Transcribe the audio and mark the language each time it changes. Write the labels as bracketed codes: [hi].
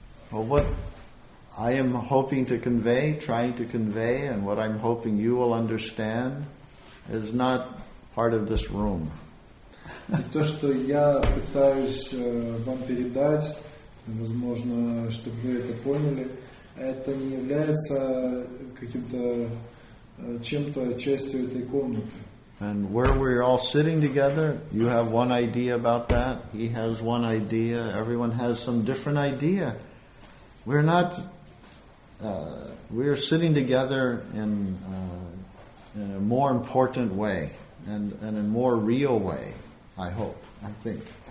[en] Well, what I am hoping to convey, trying to convey, and what I'm hoping you will understand is not part of this room. [ru] То, что я пытаюсь вам передать, возможно, чтобы вы это поняли, это не является каким-то чем-то частью этой комнаты. [en] And where we're all sitting together, you have one idea about that, he has one idea, everyone has some different idea. We're not we're sitting together in a more important way and a more real way, I hope, I think.